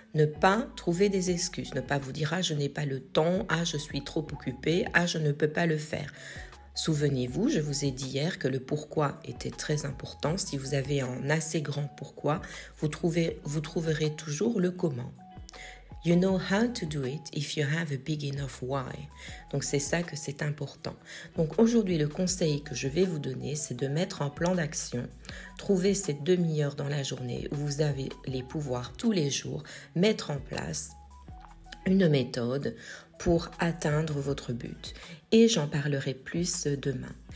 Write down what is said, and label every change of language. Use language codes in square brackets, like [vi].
[fr] Ne pas trouver des excuses. Ne pas vous dire « Ah, je n'ai pas le temps. Ah, je suis trop occupée. Ah, je ne peux pas le faire. » Souvenez-vous, je vous ai dit hier que le pourquoi était très important. Si vous avez un assez grand pourquoi, vous trouverez toujours le comment. [en] You know how to do it if you have a big enough why. [fr] Donc c'est ça que c'est important. Donc aujourd'hui, le conseil que je vais vous donner, c'est de mettre un plan d'action. Trouver cette demi-heure dans la journée où vous avez les pouvoirs tous les jours, mettre en place une méthode pour atteindre votre but. Et j'en parlerai plus demain.